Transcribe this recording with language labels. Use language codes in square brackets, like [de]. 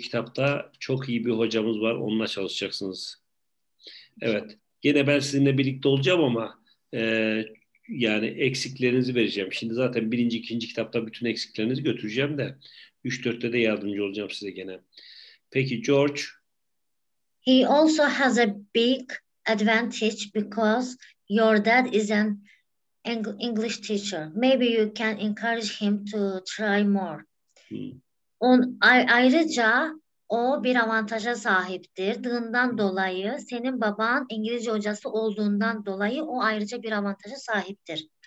[tr] kitapta çok iyi bir hocamız var. Onunla çalışacaksınız. Evet. Yine ben sizinle birlikte olacağım ama yani eksiklerinizi vereceğim. Şimdi zaten birinci, ikinci kitapta bütün eksiklerinizi götüreceğim de 3-4'te de yardımcı olacağım size gene. Peki George? [en] He also has a big advantage because your dad is an English teacher. Maybe you can encourage him to try more. [tr] Ayrıca o bir avantaja sahiptir. Dığından dolayı, senin baban İngilizce hocası olduğundan dolayı o ayrıca bir avantaja sahiptir.